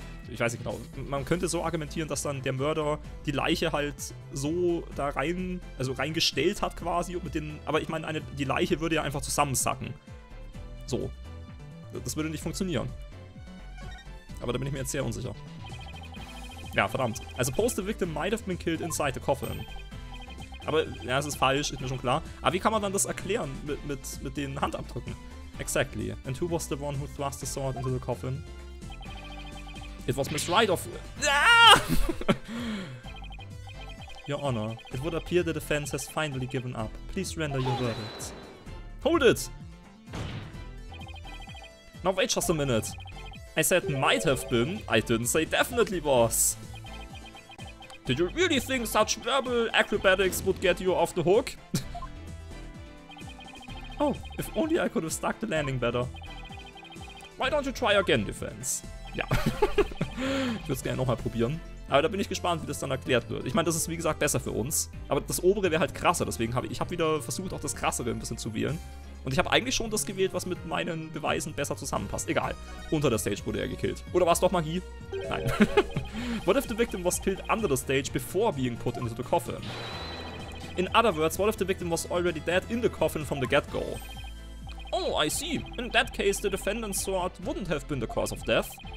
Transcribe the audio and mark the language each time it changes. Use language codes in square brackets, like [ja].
[de] Ich weiß nicht genau. Man könnte so argumentieren, dass dann der Mörder die Leiche halt so da rein, also reingestellt hat quasi. Mit den, aber ich meine, die Leiche würde ja einfach zusammensacken. So. Das würde nicht funktionieren. Aber da bin ich mir jetzt sehr unsicher. Ja, verdammt. [en] Also, post the victim might have been killed inside the coffin. [de] Aber, ja, es ist falsch, ist mir schon klar. Aber wie kann man dann das erklären mit den Handabdrücken? [en] Exactly. And who was the one who thrust the sword into the coffin? It was Miss Wright of... Your Honor, it would appear the defense has finally given up. Please render your verdict. Hold it! Now wait just a minute. I said might have been, I didn't say definitely was. Did you really think such verbal acrobatics would get you off the hook? Oh, if only I could have stuck the landing better. Why don't you try again, defense? [de] Ja. Ich würde es gerne nochmal probieren. Aber da bin ich gespannt, wie das dann erklärt wird. Ich meine, das ist wie gesagt besser für uns. Aber das obere wäre halt krasser, deswegen habe ich... Ich habe wieder versucht, auch das krassere ein bisschen zu wählen. Und ich habe eigentlich schon das gewählt, was mit meinen Beweisen besser zusammenpasst. Egal. Unter der Stage wurde er gekillt. Oder war es doch Magie? Nein. [en] What if the victim was killed under the stage before being put into the coffin? In other words, what if the victim was already dead in the coffin from the get-go? Oh, I see. In that case, the defendant's sword wouldn't have been the cause of death.